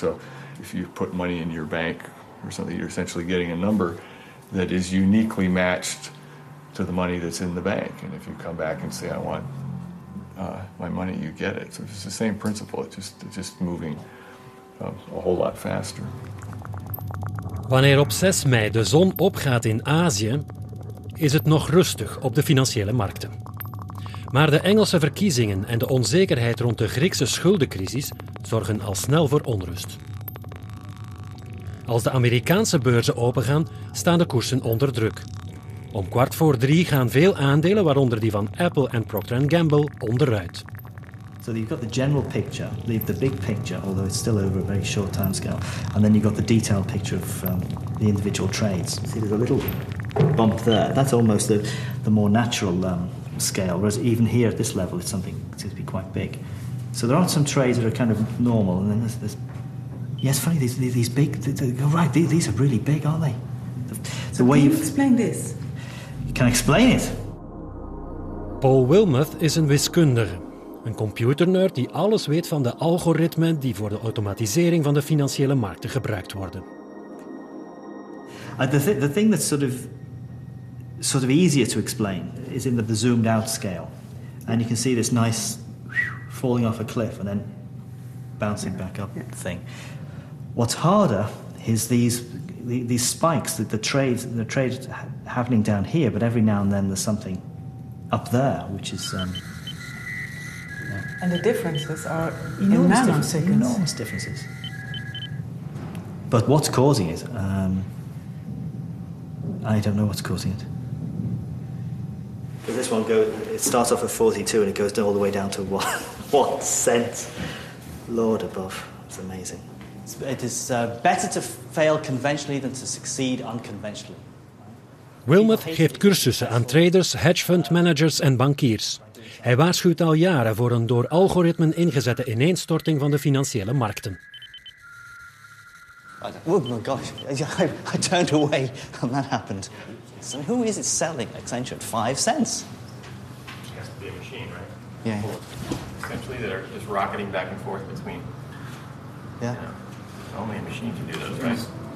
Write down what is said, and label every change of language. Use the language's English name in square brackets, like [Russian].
[English] So if you put money in your bank or something, you're essentially getting a number that is uniquely matched to the money that's in the bank. And if you come back and say, I want my money, you get it. So it's the same principle, it's just moving a whole lot faster. [Dutch] Wanneer op 6 mei de zon opgaat in Azië, is het nog rustig op de financiële markten. Maar de Engelse verkiezingen en de onzekerheid rond de Griekse schuldencrisis zorgen al snel voor onrust. Als de Amerikaanse beurzen opengaan, staan de koersen onder druk. Om 3:15 gaan veel aandelen, waaronder die van Apple en Procter & Gamble, onderuit. [English] So you've got the general picture, the big picture, although it's still over a very short time scale. And then you've got the detailed picture of the individual trades. See, there's a little bump there. That's almost the more natural scale. Whereas even here at this level, it's something that seems to be quite big. So there are some trades that are kind of normal. And then there's yes, funny, these big, these are really big, aren't they? So way can you explain this? You can explain it. [Dutch] Paul Wilmuth is een wiskundige. Een computernerd die alles weet van de algoritmen die voor de automatisering van de financiële markten gebruikt worden. [English] The thing that's sort of easier to explain is in the zoomed out scale. And you can see this nice falling off a cliff and then bouncing back up thing. What's harder is these spikes, the trades happening down here, but every now and then there's something up there, which is And the differences are enormous differences. But what's causing it? I don't know what's causing it. This one it starts off at 42 and it goes all the way down to 1 cent. Lord above, it's amazing. It is better to fail conventionally than to succeed unconventionally. [Dutch] Wilmuth geeft cursussen aan traders, hedge fund managers en bankiers. Hij waarschuwt al jaren voor een door algoritmen ingezette ineenstorting van de financiële markten. [English] Oh my gosh, I turned away and that happened. So who is it selling Accenture at 5 cents? It has to be a machine, right? Yeah. Essentially, they're just rocketing back and forth between. Yeah. Only a machine can do those, right?